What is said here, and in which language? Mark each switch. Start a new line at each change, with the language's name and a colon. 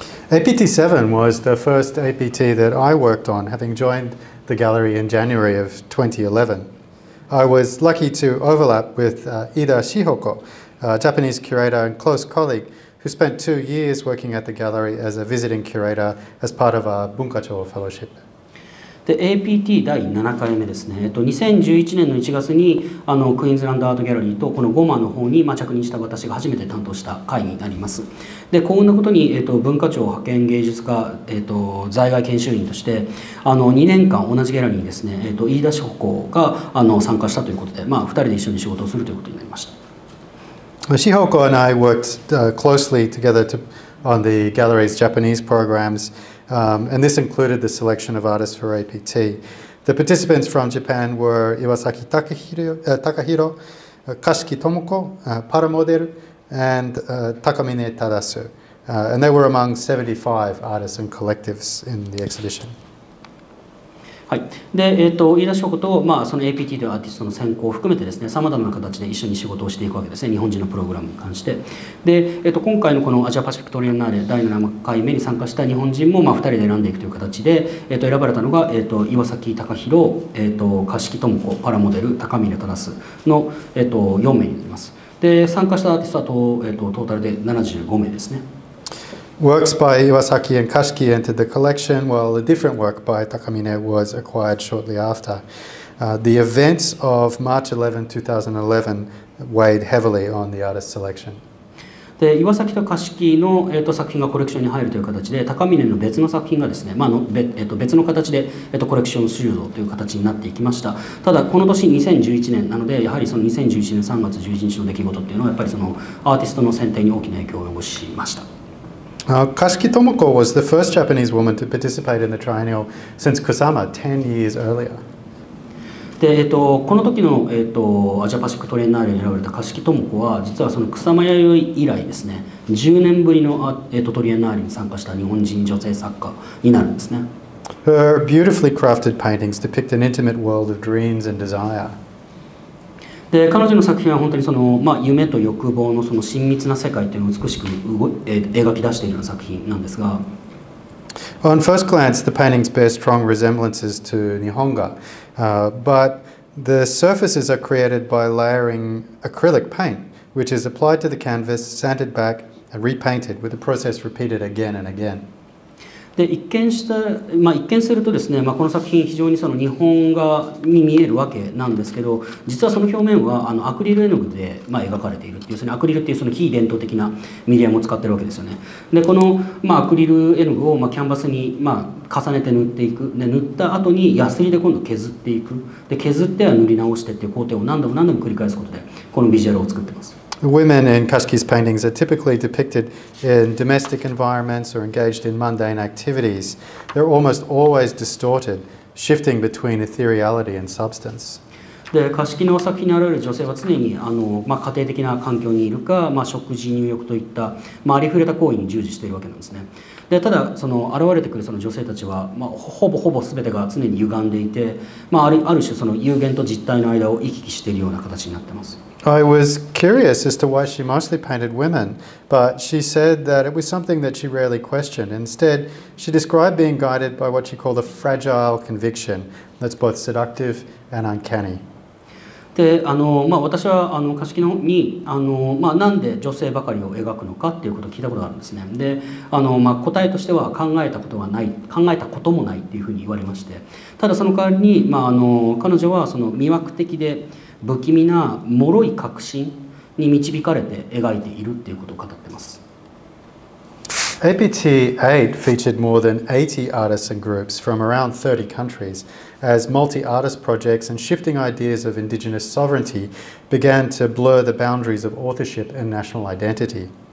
English: APT 7 was the first APT that I worked on, having joined the gallery in January of 2011. I was lucky to overlap with Ida Shihoko, a Japanese curator and close colleague who spent 2 years working at the gallery as a visiting curator as part of our Bunkacho fellowship.
Japanese: で APT 第7回目ですね、2011年の1月にクイーンズランドアートギャラリーとこのゴマの方に、着任した私が初めて担当した回になります。で幸運なことに、文化庁派遣芸術家、在外研修員として2年間同じギャラリーにですね、飯田志保子が参加したということで、2人で一緒に仕事をするということになりました。
English: 志保子 and I worked closely together to, on the gallery's Japanese programsand this included the selection of artists for APT. The participants from Japan were Iwasaki Takahiro, Kashiki Tomoko, Paramodel, and Takamine Tadasu. And they were among 75 artists and collectives in the exhibition.
Japanese: はい、で、飯田翔子と、その APT というアーティストの選考を含めてですね、さまざまな形で一緒に仕事をしていくわけですね、日本人のプログラムに関して。で、今回のこのアジアパシフィックトリエンナーレ第7回目に参加した日本人も、2人で選んでいくという形で、選ばれたのが、岩崎隆弘、柏木智子、パラモデル、高峰忠の、4名になります。で、参加したアーティストは、トータルで75名ですね。
English: Works by Iwasaki and Kashiki entered the collection, while a different work by Takamine was acquired shortly after. The events of March 11, 2011 weighed heavily on the artist selection.
Japanese: で、Iwasaki と Kashiki の、作品がコレクションに入るという形で、Takamine の別の作品がですね、別の形で、コレクション収容という形になっていきました。ただ、この年2011年なので、やはりその2011年3月11日の出来事っていうのは、やっぱりそのアーティストの選定に大きな影響を及ぼしました。
English: Kashiki Tomoko was the first Japanese woman to participate in the triennial since Kusama 10 years earlier.
Japanese: で、この時の、アジアパシフィックトリエンナーレに選ばれた Kashiki Tomoko は実はその Kusama Yayoi 以来ですね、10年ぶりの、トリエンナーレに参加した日本人女性作家になるんですね。
English: Her beautifully crafted paintings depict an intimate world of dreams and desire.
Japanese: で彼女の作品は本当にその、夢と欲望 の, その親密な世界というのを美しく描き出しているような作品なんですが、
English: On first glance, the paintings bear strong resemblances to Nihonga, but the surfaces are created by layering acrylic paint, which is applied to the canvas, sanded back, and repainted, with the process repeated again and again.
Japanese: で 一見するとですね、この作品非常にその日本画に見えるわけなんですけど、実はその表面はアクリル絵の具で描かれているっていう、そのアクリルっていうその非伝統的なメディアも使ってるわけですよね。でこの、アクリル絵の具を、キャンバスに、重ねて塗っていく、で塗った後にヤスリで今度削っていく、で削っては塗り直してっていう工程を何度も何度も繰り返すことでこのビジュアルを作ってます。
English: The women in Kashki's paintings are typically depicted in domestic environments or engaged in mundane activities. They're almost always distorted, shifting between ethereality and substance.
Japanese: で、カシキの作品に現れる女性は常に家庭的な環境にいるか、食事、入浴といった、ありふれた行為に従事しているわけなんですね。で、ただ、その現れてくるその女性たちは、ほぼほぼ全てが常に歪んでいて、ある種その有限と実体の間を行き来しているような形になっています。
English: I was curious as to why she mostly painted women, but she said that it was something that she rarely questioned. Instead, she described being guided by what she called a fragile conviction that's both seductive and uncanny.
Japanese: で私はカシキになんで女性ばかりを描くのかっていうことを聞いたことがあるんですね。で答えとしては考えたこともないっていうふうに言われまして、ただその代わりに彼女はその魅惑的で不気味な脆い確信に導かれて描いているっていうことを語ってます。
English: APT8 featured more than 80 artists and groups from around 30 countriesAs multi-artist projects and shifting ideas of indigenous sovereignty began to blur the boundaries of authorship and national identity.